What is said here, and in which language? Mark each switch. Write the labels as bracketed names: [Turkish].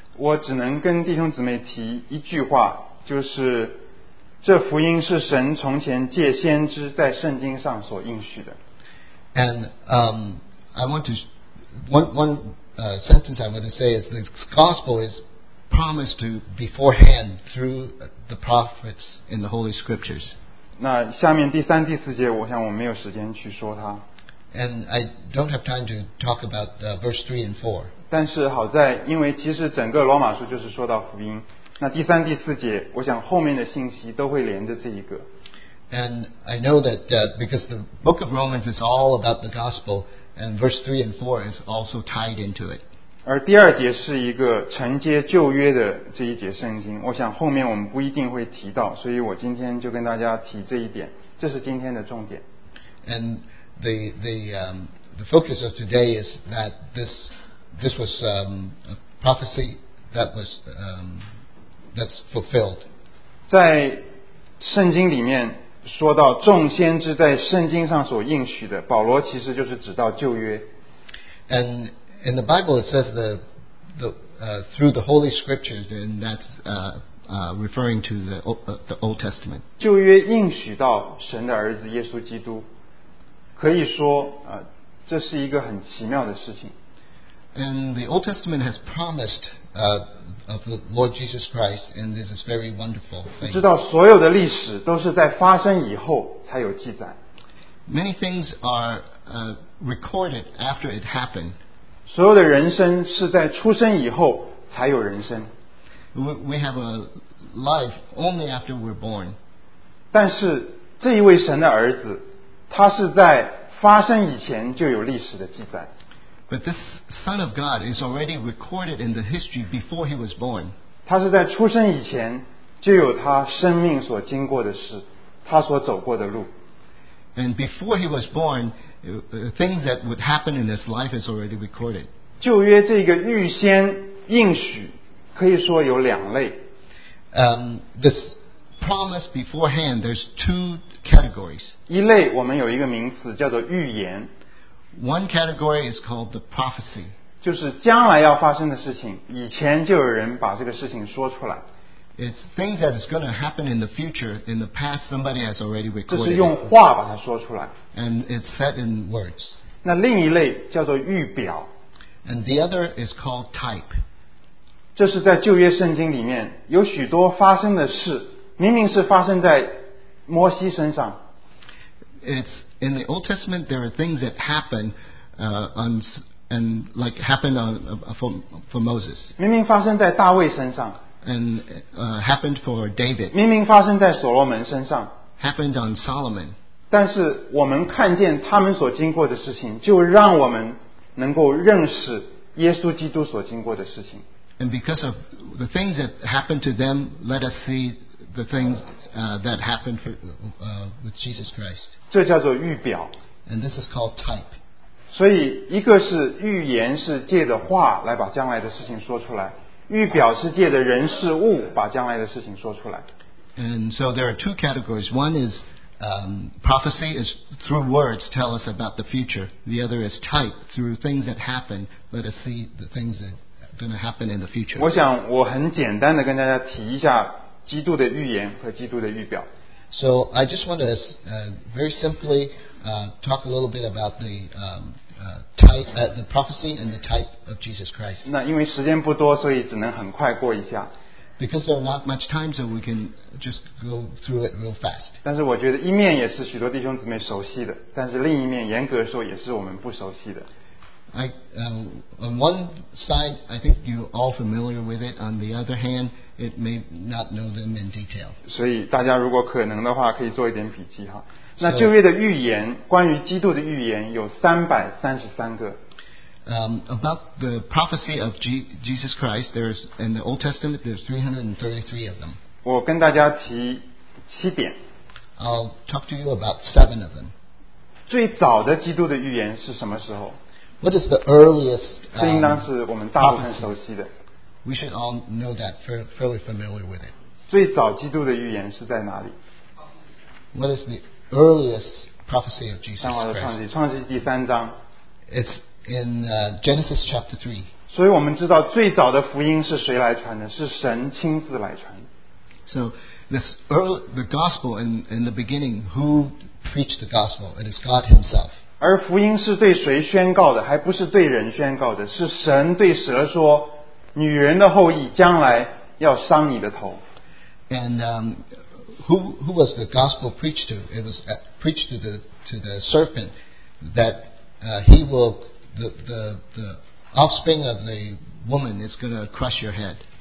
[Chinese] 我只能跟弟兄姊妹提一句话，就是这福音是神从前借先知在圣经上所应许的。 [English] And I want to one sentence I want to say is this gospel is promised to beforehand through the prophets in the Holy Scriptures. [Chinese] 那下面第三、第四节，我想我没有时间去说它。 [English] And I don't have time to talk about verse 3 and 4. [Chinese] 但是好在，因为其实整个罗马书就是说到福音，那第三、第四节，我想后面的信息都会连着这一个。 [English] And I know that because the book of Romans is all about the gospel, and verse 3 and 4 is also tied into it. [Chinese] 而第二节是一个承接旧约的这一节圣经，我想后面我们不一定会提到，所以我今天就跟大家提这一点，这是今天的重点。 [English] And the focus of today is that this was a prophecy that was that's fulfilled. [Chinese] 在圣经里面说到众先知在圣经上所应许的，保罗其实就是指到旧约。 [English] And in the Bible it says the through the Holy Scriptures, and that's referring to the Old Testament. [Chinese] 旧约应许到神的儿子耶稣基督。可以说这是一个很奇妙的事情。 [English] And the Old Testament has promised of the Lord Jesus Christ, and this is very wonderful thing. [Chinese] 知道所有的历史都是在发生以后才有记载。 [English] Many things are recorded after it happened. [Chinese] 所有的人生是在出生以后才有人生。 [English] We have a life only after we're born. [Chinese] 但是这一位神的儿子他是在发生以前就有历史的记载。 [English] But this Son of God is already recorded in the history before he was born. [Chinese] 他是在出生以前就有他生命所经过的事，他所走过的路。 [English] And before he was born, things that would happen in his life is already recorded. [Chinese] 旧约这个预先应许可以说有两类。 [English] This promise beforehand, there's two categories. [Chinese] 一类我们有一个名词叫做预言。 [English] One category is called the prophecy. [Chinese] 就是将来要发生的事情，以前就有人把这个事情说出来。 [English] It's things that is going to happen in the future. In the past, somebody has already recorded. [Chinese] 这是用话把它说出来。 [English] And it's said in words. [Chinese] 那另一类叫做预表。 [English] And the other is called type. [Chinese] 这是在旧约圣经里面有许多发生的事，明明是发生在摩西身上。 [English] It's in the Old Testament there are things that happen on and like happened on for Moses. [Chinese] 明明发生在大卫身上。 [English] And happened for David. [Chinese] 明明发生在所罗门身上。 [English] Happened on Solomon. [Chinese] 但是我们看见他们所经过的事情，就让我们能够认识耶稣基督所经过的事情。 [English] And because of the things that happened to them, let us see the things that happened for, with Jesus Christ. [Chinese] 这叫做预表。 [English] And this is called type. [Chinese] 所以一个是预言是借着话来把将来的事情说出来，预表是借着人事物把将来的事情说出来。 [English] And so there are two categories. One is prophecy is through words tell us about the future. The other is type through things that happen let us see the things that are going to happen in the future. [Chinese] 我想我很简单的跟大家提一下基督的预言和基督的预表。 [English] So I just want to very simply talk a little bit about the type, the prophecy and the type of Jesus Christ. [Chinese] 那因为时间不多，所以只能很快过一下。 [English] Because there's not much time, so we can just go through it real fast. [Chinese] 但是我觉得一面也是许多弟兄姊妹熟悉的，但是另一面严格说也是我们不熟悉的。 [English] On one side, I think you're all familiar with it. On the other hand, it may not know them in detail. [Chinese] 所以大家如果可能的话，可以做一点笔记哈。那旧约的预言，关于基督的预言有333个。 [English] About the prophecy of Jesus Christ, there's in the Old Testament there's 333 of them. [Chinese] 我跟大家提七点。 [English] I'll talk to you about seven of them. [Chinese] 最早的基督的预言是什么时候？ [English] What is the earliest? [Chinese] 这应当是我们大部分熟悉的。 [English] We should all know that, fairly familiar with it. [Chinese] 最早基督的预言是在哪里？ [English] What is the earliest prophecy of Jesus Christ? [Chinese] 创世纪第三章。 [English] It's in Genesis chapter 3. [Chinese] 所以我们知道最早的福音是谁来传的？是神亲自来传的。 [English] So this early, the gospel in the beginning, who preached the gospel? It is God Himself. [Chinese] 而福音是对谁宣告的？还不是对人宣告的， 是神对蛇说， 女人的后裔将来要伤你的头。 [English] And who was the gospel preached to? It was preached to the serpent that he will the offspring of the woman is going to crush your head.